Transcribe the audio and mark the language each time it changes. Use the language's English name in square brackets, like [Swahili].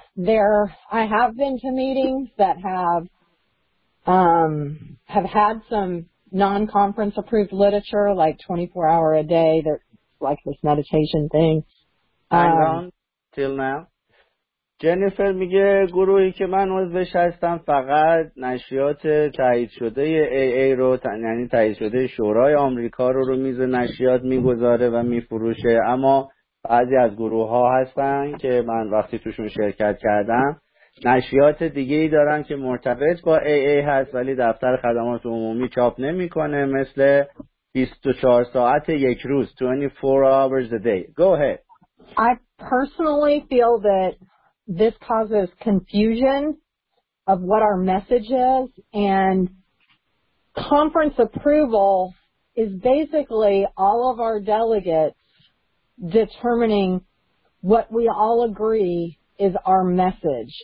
[English] There, I have been to meetings that have had some non-conference approved literature, like 24 hour a day, that like this meditation thing. Hang on, till now. [Persian] جنیفر میگه گروهی که من عضوش هستم فقط نشریات تایید شده AA رو، یعنی تایید شده شورای آمریکا رو میز نشریات میگذاره و میفروشه، اما بعضی از گروه ها هستن که من وقتی توشون شرکت کردم نشریات دیگه ای دارن که مرتبط با AA هست ولی دفتر خدمات عمومی چاپ نمی کنه، مثل 24 ساعت یک روز 24 hours a day. [English] Go ahead. I personally feel that this causes confusion of what our message is, and conference approval is basically all of our delegates determining what we all agree is our message.